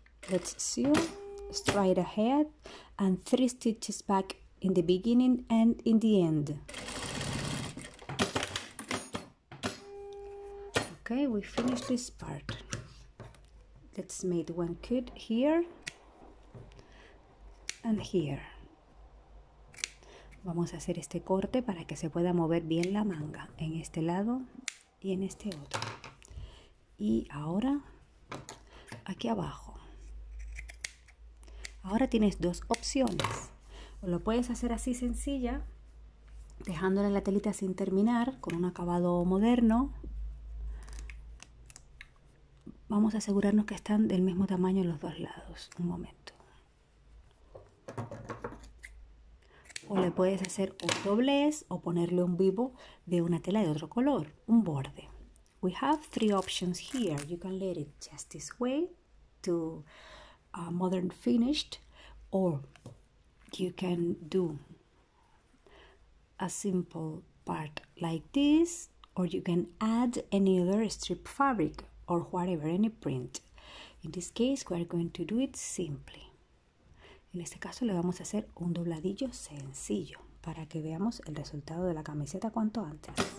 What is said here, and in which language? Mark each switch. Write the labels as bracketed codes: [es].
[en] Let's sew straight ahead and three stitches back in the beginning and in the end. Okay, we finished this part. Let's make one cut here and here. [es] Vamos a hacer este corte para que se pueda mover bien la manga en este lado y en este otro. Y ahora aquí abajo. Ahora tienes dos opciones. O lo puedes hacer así sencilla, dejándole la telita sin terminar con un acabado moderno. Vamos a asegurarnos que están del mismo tamaño en los dos lados. Un momento. O le puedes hacer un doblez o ponerle un vivo de una tela de otro color, un borde. [en] We have three options here. You can let it just this way to a modern finished, or you can do a simple part like this, or you can add any other strip fabric or whatever, any print. In this case, we are going to do it simply. [es] En este caso le vamos a hacer un dobladillo sencillo para que veamos el resultado de la camiseta cuanto antes.